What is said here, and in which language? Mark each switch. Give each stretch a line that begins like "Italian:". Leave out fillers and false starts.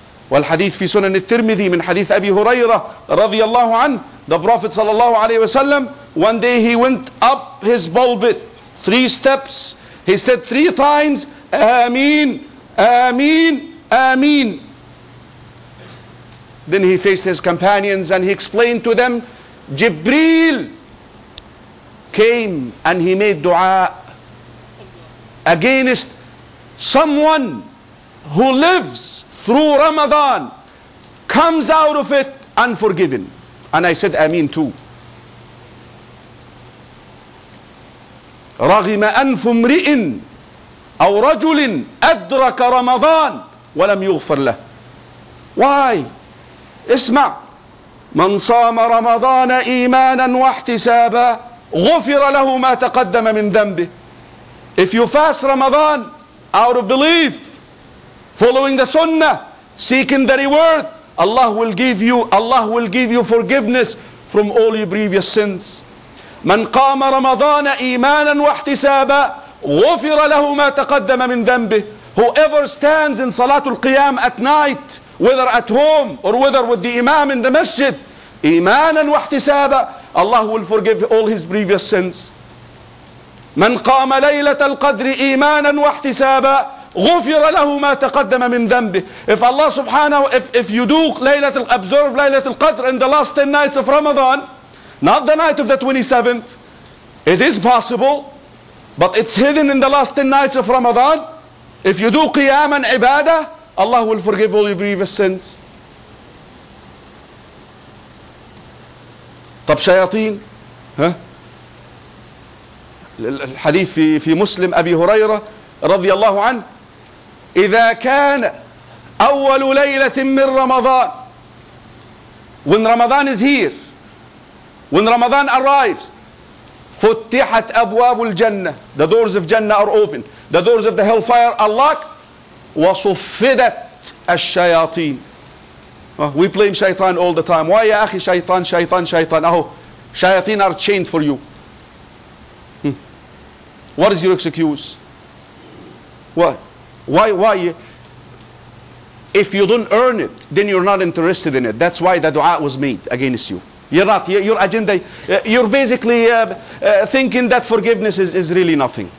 Arabic: والحديث في سنن الترمذي من حديث أبي هريرة رضي الله عنه,
English: the Prophet
Arabic: صلى الله عليه وسلم,
English: one day he went up his pulpit 3 steps, he said 3 times,
Arabic: آمين آمين آمين.
English: Then he faced his companions and he explained to them, Jibreel came and he made dua against someone who lives through Ramadan, comes out of it unforgiven. And I said, Ameen too.
Arabic: رغم أنف امرئ أو رجل أدرك رمضان ولم يغفر له.
English: Why?
Arabic: اسمع. من صام رمضان إيمانا واحتسابا غفر له ما تقدم من ذنبه.
English: If you fast Ramadan out of belief, following the sunnah, seeking the reward, Allah will give you forgiveness from all your previous sins.
Arabic: من قام رمضان إيمانا واحتسابا غفر له ما تقدم من ذنبه.
English: Whoever stands in Salatul Qiyam at night, whether at home or whether with the Imam in the Masjid,
Arabic: إيمانا واحتسابا,
English: Allah will forgive all his previous sins.
Arabic: من قام ليلة القدر إيمانا واحتسابا غفر له ما تقدم من ذنبه.
English: If Allah subhanahu, if you do laylatul, observe laylatul qadr in the last 10 nights of Ramadan, not the night of the 27th, it is possible, but it's hidden in the last 10 nights of Ramadan. If you do qiyam and ibadah, Allah will forgive all your previous sins.
Arabic: طب شياطين, الحديث في مسلم أبي هريرة رضي الله عنه, إذا كان أول ليلة من رمضان,
English: when Ramadan is here, when Ramadan arrives,
Arabic: فتحت أبواب الجنة,
English: the doors of Jannah are open, the doors of the hellfire are locked,
Arabic: وصفدت الشياطين.
English: We blame شيطان all the time. Why
Arabic: يا أخي شيطان شيطان شيطان؟ أهو شياطين
English: are chained for you. What is your excuse? What? Why? If you don't earn it, then you're not interested in it. That's why the dua was made against you. You're not, your agenda, you're basically thinking that forgiveness is really nothing.